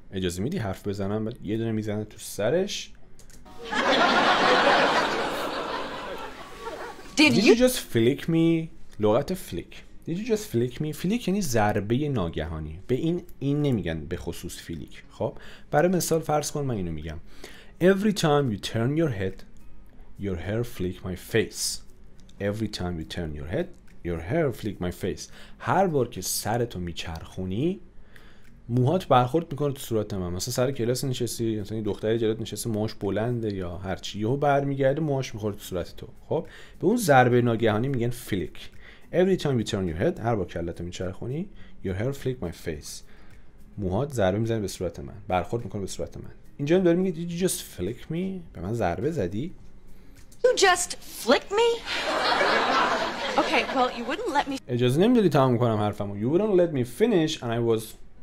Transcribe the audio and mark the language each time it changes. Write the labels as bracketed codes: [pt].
[fa] اجازه میدی حرف بزنم؟ بعد یه دونه میزنه تو سرش. [en] Did you just flick me؟ [fa] لغت [en] flick. Did you just flick me؟ flick [fa] یعنی ضربه ناگهانی. به این نمیگن به خصوص flick. خب برای مثال فرض کن من اینو میگم. [en] Every time you turn your head, your hair flick my face. Every time you turn your head, your hair flick my face. [fa] هر بار که سرتو میچرخونی موهات برخورد میکنه تو صورت من. مثلا سر کلاس نشستی، مثلا یه دختری جلوت نشسته موهاش بلنده یا هر چی، یهو برمیگرده موهاش میخوره تو صورت تو. خب به اون ضربه ناگهانی میگن فلیک. [en] Every time you turn your head، [fa] هر بار کلاتو میچرخونی، [en] your hair flick my face. [fa] موهات ضربه میزنه به صورت من، برخورد میکنه به صورت من. اینجا هم داره میگه [en] Did you just flick me؟ [fa] به من ضربه زدی؟ [en] You just flick me? OK, Okay, well, you wouldn't let me... [fa] اجازه نمیدادی تمام کنم حرفمو. [en] You wouldn't let me finish and I was...